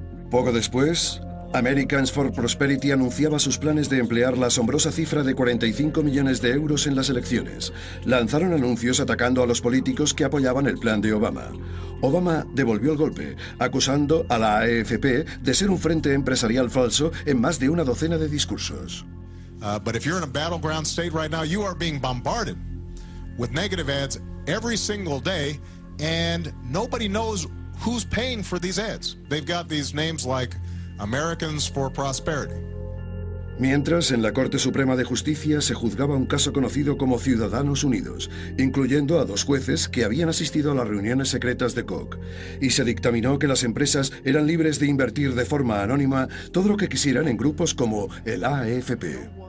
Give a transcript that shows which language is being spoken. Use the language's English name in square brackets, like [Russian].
[Spanish] Poco después, Americans for Prosperity anunciaba sus planes de emplear la asombrosa cifra de 45 millones de euros en las elecciones. Lanzaron anuncios atacando a los políticos que apoyaban el plan de Obama. Obama devolvió el golpe, acusando a la AFP de ser un frente empresarial falso en más de una docena de discursos. [English] But if you're in a battleground state right now, you are being bombarded with negative ads every single day, and nobody knows who's paying for these ads. They've got these names like Americans for Prosperity. [Spanish] Mientras, en la Corte Suprema de Justicia se juzgaba un caso conocido como Ciudadanos Unidos, incluyendo a dos jueces que habían asistido a las reuniones secretas de Koch, y se dictaminó que las empresas eran libres de invertir de forma anónima todo lo que quisieran en grupos como el AFP.